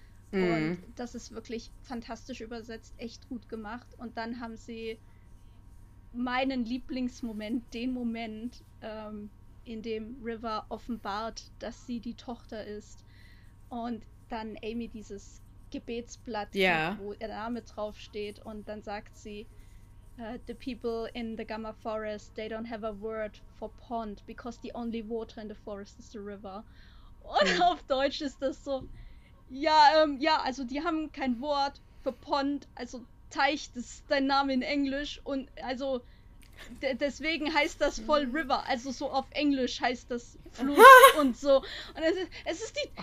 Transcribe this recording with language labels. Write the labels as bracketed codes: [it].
[de] Und das ist wirklich fantastisch übersetzt, echt gut gemacht. Und dann haben sie meinen Lieblingsmoment, den Moment, in dem River offenbart, dass sie die Tochter ist. Und dann Amy dieses Gebetsblatt, wo ihr Name draufsteht. Und dann sagt sie, [en] the people in the Gamma Forest, they don't have a word for pond, because the only water in the forest is the river. [de] Und auf Deutsch ist das so, ja, also die haben kein Wort für pond, also Teich, das ist dein Name in Englisch, und also deswegen heißt das voll River, also so auf Englisch heißt das Fluss und so. Und es ist die...